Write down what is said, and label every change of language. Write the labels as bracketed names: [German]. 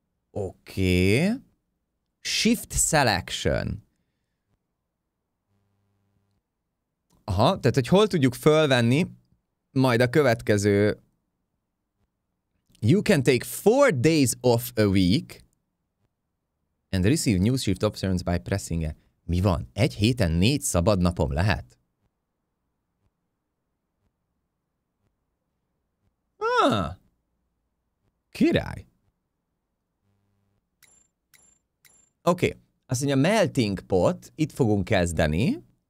[Hungarian] Oké. Shift Selection. Aha, tehát hogy hol tudjuk fölvenni, majd a következő. [English] You can take 4 days off a week and receive new shift options by pressing it. [Hungarian] Mi van? Egy héten 4 szabad napom lehet? Király. Oké, azt mondja Melting Pot, itt fogunk kezdeni.